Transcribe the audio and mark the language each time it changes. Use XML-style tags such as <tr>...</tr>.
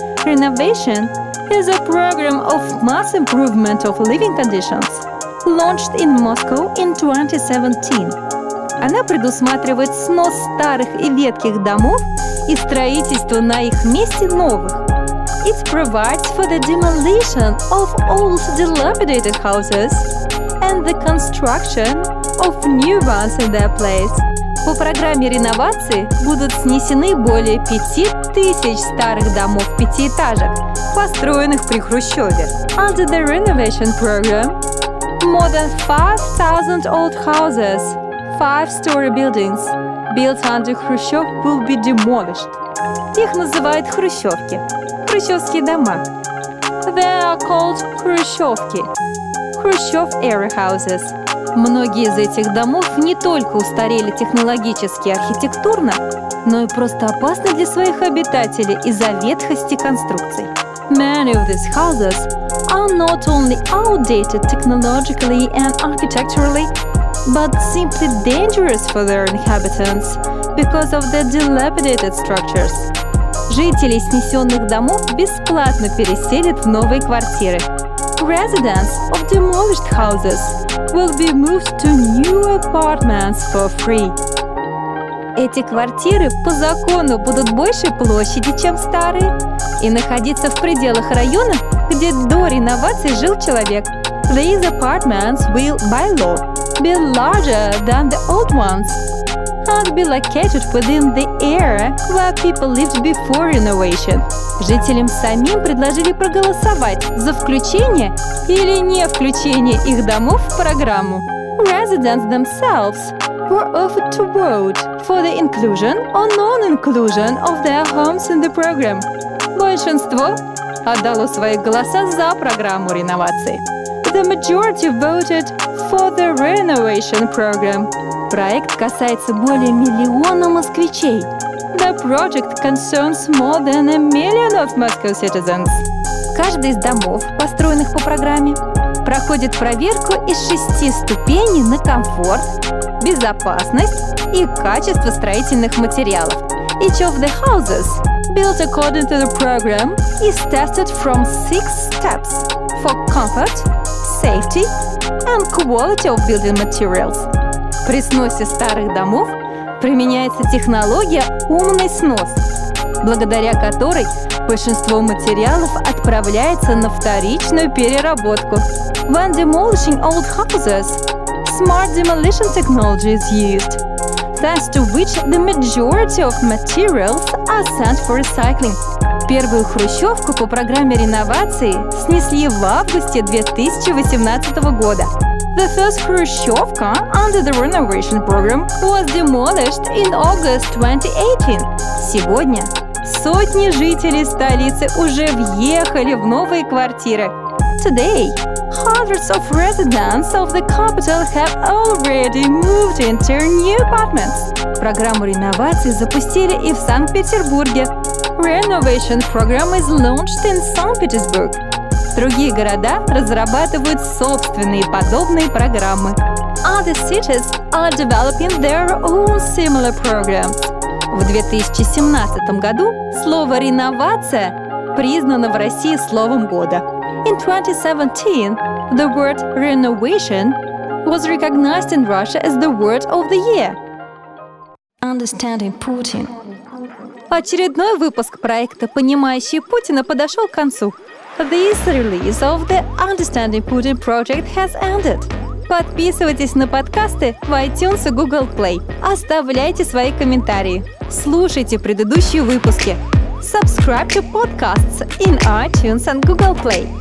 <en>Renovation is a program of mass improvement of living conditions, launched in Moscow in 2017.</en> <ru>Она предусматривает снос старых и ветхих домов и строительство на их месте новых.</ru> <en>It provides for the demolition of old dilapidated houses and the construction of new ones in their place.</en> <ru>По программе реновации будут снесены более 5000 старых домов пятиэтажек, построенных при Хрущеве.</ru> <en>Under the renovation program, more than 5000 old houses, 5-story buildings, built under Khrushchev will be demolished.</en> <ru>Их называют хрущевки, хрущевские дома.</ru> <en>They are called хрущевки, Khrushchev-era houses.</en> <ru>Многие из этих домов не только устарели технологически и архитектурно, но и просто опасны для своих обитателей из-за ветхости конструкций.</ru> <en>Many of these houses are not only outdated technologically and architecturally, but simply dangerous for their inhabitants because of their dilapidated structures.</en> <ru>Жители снесенных домов бесплатно переселят в новые квартиры.</ru> <en>Residents of demolished houses will be moved to new apartments for free.</en> <ru>Эти квартиры по закону будут больше площади, чем старые, и находиться в пределах района, где до реновации жил человек.</ru> <en>These apartments will, by law, be larger than the old ones and be located within the area where people lived before renovation.</en> <ru>Жителям самим предложили проголосовать за включение или не включение их домов в программу.</ru> <en>Residents themselves were offered to vote for the inclusion or non-inclusion of their homes in the program.</en> <ru>Большинство отдало свои голоса за программу реновации.</ru> <en>The majority voted for the renovation program.</en> <ru>Проект касается более миллиона москвичей.</ru> <en>The project concerns more than a million of Moscow citizens.</en> <ru>Каждый из домов, построенных по программе, проходит проверку из 6 ступеней на комфорт, безопасность и качество строительных материалов.</ru> <en>Each of the houses, built according to the program, is tested from 6 steps for comfort, safety and quality of building materials.</en> <ru>При сносе старых домов применяется технология «умный снос», благодаря которой большинство материалов отправляется на вторичную переработку.</ru> <en>When demolishing old houses, smart demolition technology is used, thanks to which the majority of materials are sent for recycling.</en> <ru>Первую хрущевку по программе реновации снесли в августе 2018 года.</ru> <en>The first Khrushchevka under the renovation program was demolished in August 2018.</en> <ru>Сегодня сотни жителей столицы уже въехали в новые квартиры.</ru> <en>Today, hundreds of residents of the capital have already moved into new apartments.</en> <ru>Программу реновации запустили и в Санкт-Петербурге.</ru> <en>Renovation program is launched in St. Petersburg.</en> <ru>Другие города разрабатывают собственные подобные программы.</ru> <en>Other cities are developing their own similar programs.</en> <ru>В 2017 году слово «реновация» признано в России словом года.</ru> <en>In 2017, the word renovation was recognized in Russia as the word of the year. Understanding Putin.</en> <ru>Очередной выпуск проекта «Понимающие Путина» подошел к концу.</ru> <en>This release of the Understanding Putin project has ended.</en> <ru>Подписывайтесь на подкасты в iTunes и Google Play. Оставляйте свои комментарии. Слушайте предыдущие выпуски.</ru> <en>Subscribe to podcasts in iTunes and Google Play.</en>